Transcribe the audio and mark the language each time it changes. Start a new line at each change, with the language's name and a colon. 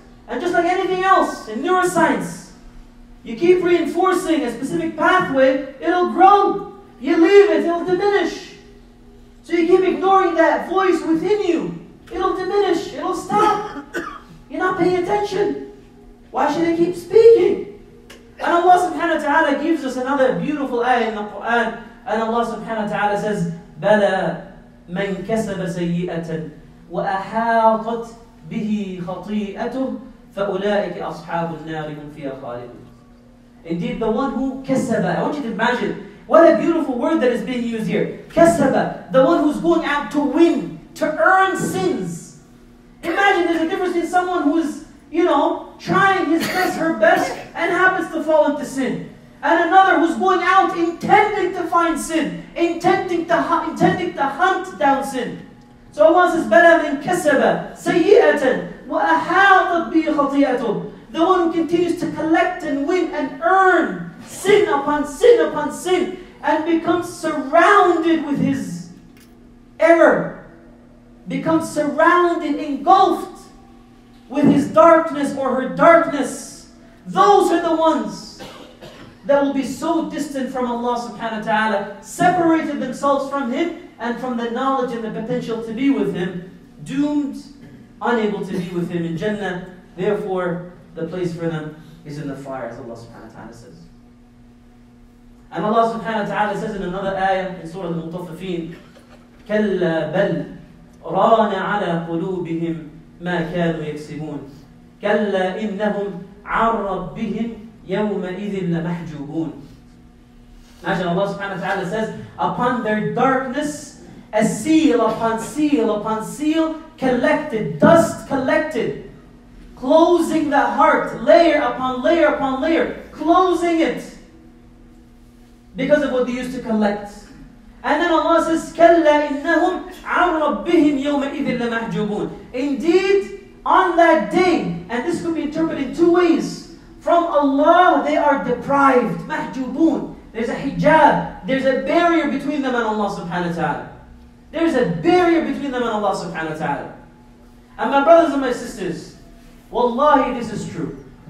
English: And just like anything else in neuroscience, you keep reinforcing a specific pathway, it'll grow. You leave it, it'll diminish. So you keep ignoring that voice within you. It'll diminish, it'll stop. You're not paying attention. Why should it keep speaking? And Allah subhanahu wa ta'ala gives us another beautiful ayah in the Quran. And Allah subhanahu wa ta'ala says,
Arabic: بَلَى مَنْ كَسَبَ سَيِّئَةً وَأَحَاطَتْ بِهِ خَطِيئَتُهُ فَأُولَٰئِكِ أَصْحَابُ النَّارِ هُمْ فِيهَا خَالِدُونَ.
English: Indeed, the one who kasaba. I want you to imagine what a beautiful word that is being used here. Kasaba, the one who's going out to win, to earn sins. Imagine there's a difference in someone who's, you know, trying his best, her best, and happens to fall into sin. And another who's going out intending to find sin, intending to hunt down sin. So Allah says,
Arabic: بَلَا مِنْ كَسَبَ سَيِّئَةً وَأَحَاطَتْ بِهِ خَطِيئَةٌ.
English: The one who continues to collect and win and earn sin upon sin upon sin and becomes surrounded with his error, becomes surrounded, engulfed with his darkness or her darkness. Those are the ones that will be so distant from Allah subhanahu wa ta'ala, separated themselves from Him and from the knowledge and the potential to be with Him, doomed, unable to be with Him in Jannah. Therefore, the place for them is in the fire, as Allah subhanahu wa ta'ala says. And Allah subhanahu wa ta'ala says in another ayah in Surah Al-Mutaffifin,
Arabic: كَلَّا بَلْ رَانَ عَلَى قُلُوبِهِمْ مَا كَانُوا يَكْسِبُونَ كَلَّا إِنَّهُمْ عَنْ رَبِّهِمْ يَوْمَئِذٍ لَمَحْجُوبُونَ.
English: Imagine Allah subhanahu wa ta'ala says, upon their darkness, a seal upon seal upon seal collected, dust collected, closing the heart, layer upon layer upon layer, closing it because of what they used to collect. And then Allah says,
Arabic: كَلَّا إِنَّهُمْ عَنْ رَبِّهِمْ يَوْمَئِذٍ لَمَحْجُوبُونَ.
English: Indeed, on that day, and this could be interpreted two ways, from Allah they are deprived, مَحْجُوبُونَ. There's a hijab, there's a barrier between them and Allah subhanahu wa ta'ala. There's a barrier between them and Allah subhanahu wa ta'ala. And my brothers and my sisters, wallahi, this is true.